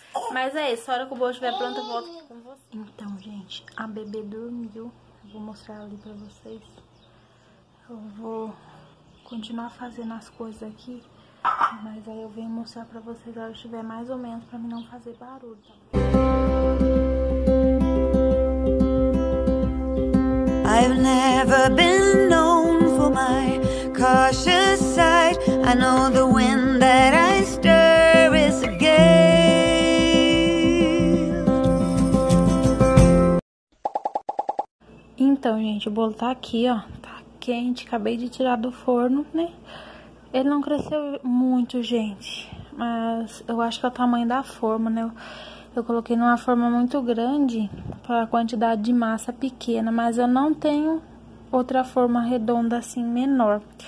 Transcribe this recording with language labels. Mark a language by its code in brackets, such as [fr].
[pt] Mas é isso, a hora que o bolo estiver pronto, eu volto aqui com vocês. Então, gente, a bebê dormiu. Vou mostrar ali pra vocês. Eu vou continuar fazendo as coisas aqui. Mas aí eu venho mostrar pra vocês a hora que estiver mais ou menos, pra mim não fazer barulho, tá? [en] I've never been known for my cautious side. I know the wind that I stir is a gale. [pt] Então, gente, o bolo tá aqui, ó. Tá quente, acabei de tirar do forno, né? Ele não cresceu muito, gente. Mas eu acho que é o tamanho da forma, né? Eu coloquei numa forma muito grande para a quantidade de massa pequena, mas eu não tenho outra forma redonda assim menor.